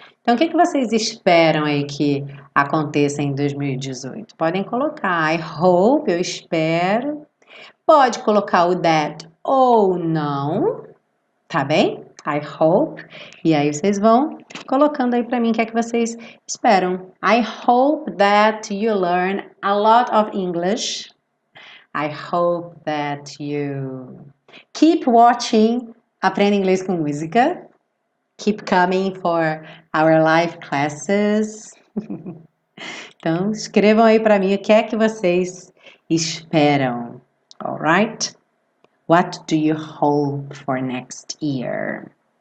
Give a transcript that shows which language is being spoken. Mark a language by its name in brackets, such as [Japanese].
[Portuguese] Então, o que que vocês esperam aí que aconteça em 2018? Podem colocar [English] I hope, [Portuguese] eu espero. Pode colocar o that ou não, tá bem? I hope. E aí vocês vão colocando aí para mim o que é que vocês esperam. [English] I hope that you learn a lot of English. I hope that you keep watching, [Portuguese] aprenda inglês com música. [English] Keep coming for our live classes. [Portuguese] Então, escrevam aí para mim o que é que vocês esperam. [English] All right? What do you hope for next year?